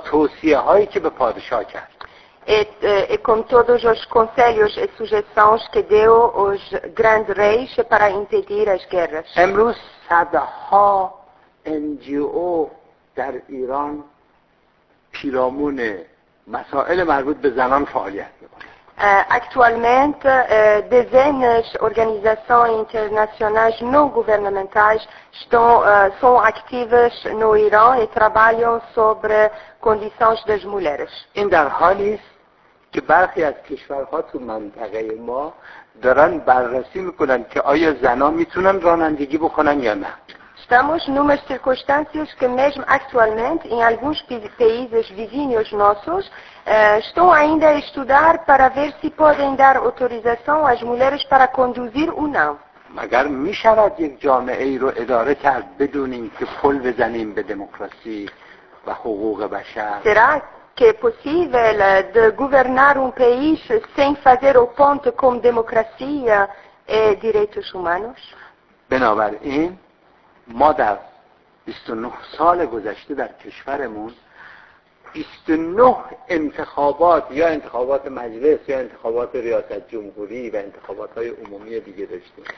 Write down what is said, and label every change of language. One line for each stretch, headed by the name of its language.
Portuguese: Com as
Persian: توصیه‌هایی که به پادشاه کرد.
Portuguese: E com todos os conselhos e sugestões que deu aos grandes reis para impedir as guerras.
Persian: امروز صدها NGO در ایران پیرامون مسائل مربوط به زنان فعالیت میکنه.
Portuguese: Actualmente dezenas organizações internacionais não governamentais são ativas no Irã e trabalham sobre condições das mulheres.
Persian: این در حالی است که برخی از کشورها تو منطقه ما دارن بررسی میکنن که آیا زنان میتونن رانندگی بکنن یا نه.
Portuguese: Estamos numa circunstância que mesmo atualmente, em alguns países vizinhos nossos, estão ainda a estudar para ver se podem dar autorização às mulheres para conduzir ou não.
Persian: مگر می شود یک جامعه ای رو اداره کرد بدون اینکه پل بزنیم به دموکراسی و حقوق بشر؟
Portuguese: Será que é possível de governar um país sem fazer o ponto com democracia e direitos humanos?
Persian: بنابراین ما در 29 سال گذشته در کشورمون 29 انتخابات یا انتخابات مجلس یا انتخابات ریاست جمهوری و انتخابات‌های عمومی دیگه داشتیم.